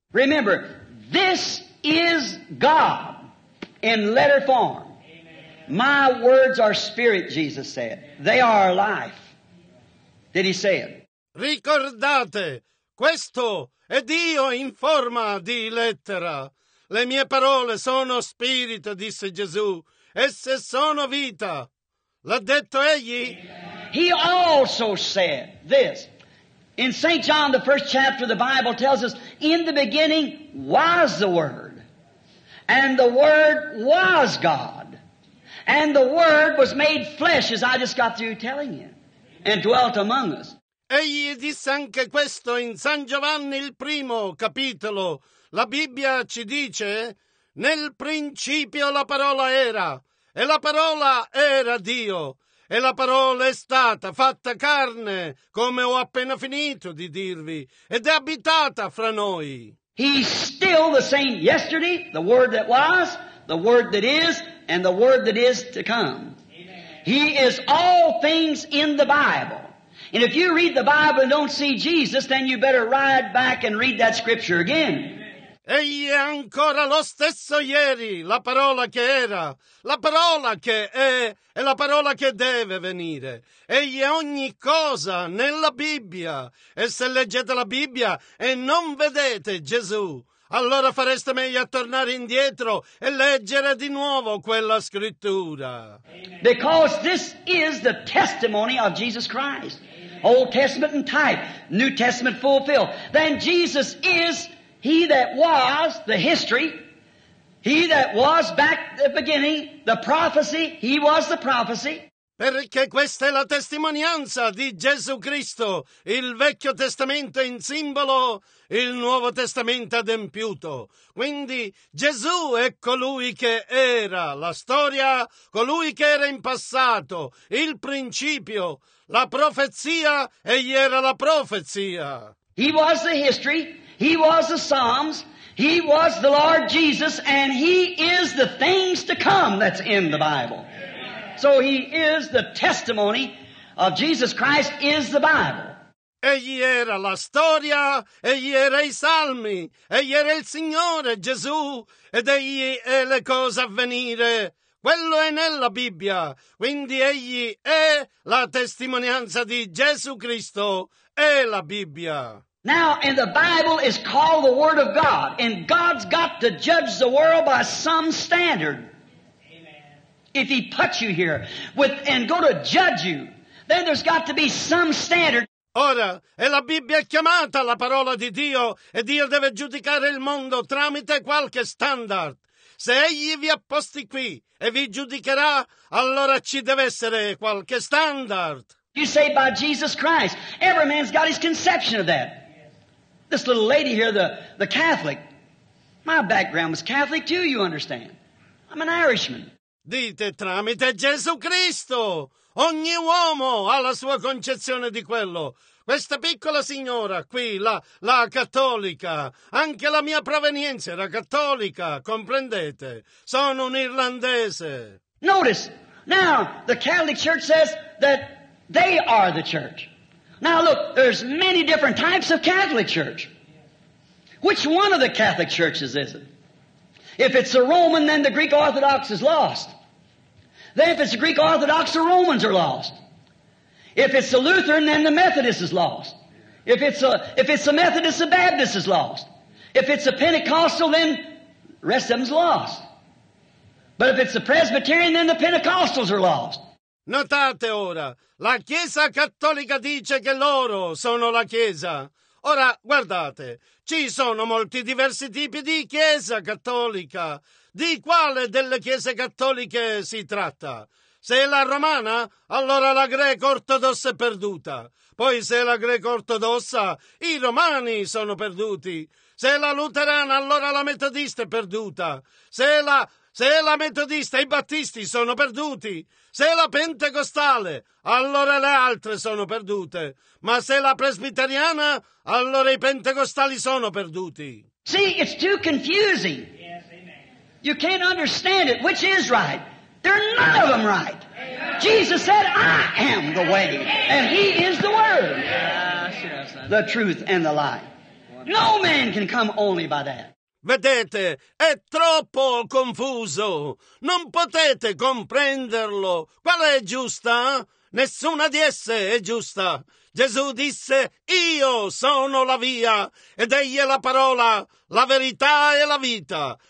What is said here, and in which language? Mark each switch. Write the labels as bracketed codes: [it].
[en] Remember, this is God in letter form. Amen. My words are spirit, Jesus said. They are life. Did he say it? [it] Ricordate, questo è Dio in forma di lettera. Le mie parole sono spirito, disse Gesù. Esse sono vita. L'ha detto egli? [en] Amen. He also said this. In St. John, the first chapter of the Bible tells us, in the beginning was the Word, and the Word was God, and the Word was made flesh, as I just got through telling you, and dwelt among us. [it] Egli disse anche questo in San Giovanni, il primo capitolo. La Bibbia ci dice, nel principio la parola era, e la parola era Dio. E la parola è stata fatta carne, come ho appena finito di dirvi, ed è abitata fra noi. [en] He's still the same yesterday, the Word that was, the Word that is, and the Word that is to come. Amen. He is all things in the Bible. And if you read the Bible and don't see Jesus, then you better ride back and read that scripture again. [it] Egli è ancora lo stesso ieri, la parola che era, la parola che è e la parola che deve venire. Egli è ogni cosa nella Bibbia. E se leggete la Bibbia e non vedete Gesù, allora fareste meglio a tornare indietro e leggere di nuovo quella scrittura. [en] Because this is the testimony of Jesus Christ. Amen. Old Testament in type, New Testament fulfilled. Then Jesus is He that was, the history, he that was back at the beginning, the prophecy, he was the prophecy. [it] Perché questa è la testimonianza di Gesù Cristo, il Vecchio Testamento in simbolo, il Nuovo Testamento adempiuto. Quindi Gesù è colui che era la storia, colui che era in passato, il principio, la profezia, egli era la profezia. [en] He was the history. He was the Psalms, He was the Lord Jesus, and He is the things to come that's in the Bible. So He is the testimony of Jesus Christ is the Bible. [it] Egli era la storia, egli era i salmi, egli era il Signore Gesù, ed egli è le cose a venire. Quello è nella Bibbia, quindi egli è la testimonianza di Gesù Cristo, è la Bibbia. [en] Now, in the Bible is called the Word of God, and God's got to judge the world by some standard. Amen. If He puts you here with and go to judge you, then there's got to be some standard. [it] Ora, e la Bibbia è chiamata la parola di Dio, e Dio deve giudicare il mondo tramite qualche standard. Se Egli vi ha posti qui e vi giudicherà, allora ci deve essere qualche standard. [en] You say by Jesus Christ. Every man's got his conception of that. This little lady here, the Catholic. My background was Catholic too, you understand. I'm an Irishman. [it] Dite tramite Gesù Cristo. Ogni uomo ha la sua concezione di quello. Questa piccola signora qui, la cattolica, anche la mia provenienza era cattolica, comprendete? Sono un irlandese. [en] Notice, now the Catholic Church says that they are the church. Now look, there's many different types of Catholic Church. Which one of the Catholic Churches is it? If it's the Roman, then the Greek Orthodox is lost. Then if it's the Greek Orthodox, the Romans are lost. If it's the Lutheran, then the Methodist is lost. If it's the Methodist, the Baptist is lost. If it's the Pentecostal, then the rest of them is lost. But if it's the Presbyterian, then the Pentecostals are lost. [it] Notate ora, la Chiesa Cattolica dice che loro sono la Chiesa. Ora, guardate, ci sono molti diversi tipi di Chiesa Cattolica. Di quale delle Chiese Cattoliche si tratta? Se è la Romana, allora la Greca Ortodossa è perduta. Poi se è la Greca Ortodossa, i Romani sono perduti. Se è la Luterana, allora la Metodista è perduta. Se è la Metodista, i Battisti sono perduti. Se è la Pentecostale, allora le altre sono perdute. Ma se è la Presbiteriana, allora i Pentecostali sono perduti. [en] See, it's too confusing. Yes, amen. You can't understand it. Which is right? They're none of them right. Amen. Jesus said, I am the way, and He is the Word, yes, the truth and the life. No man can come only by that. [it] Vedete, è troppo confuso. Non potete comprenderlo. Qual è giusta? Nessuna di esse è giusta. Gesù disse, io sono la via, ed egli è la parola, la verità e la vita.